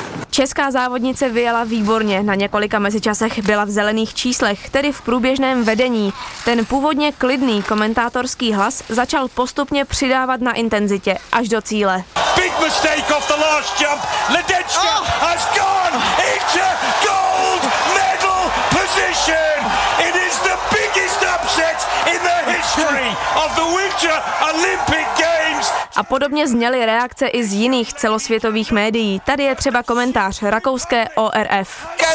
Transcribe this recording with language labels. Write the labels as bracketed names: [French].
[Czech] Česká závodnice vyjela výborně, na několika mezičasech byla v zelených číslech, tedy v průběžném vedení. Ten původně klidný komentátorský hlas začal postupně přidávat na intenzitě až do cíle. [English] Big mistake off the last jump. Ledecká has gone into gold medal position. It is the biggest upset in the history of the Winter Olympic Games. [Czech] A podobně zněly reakce i z jiných celosvětových médií. Tady je třeba komentář rakouské ORF.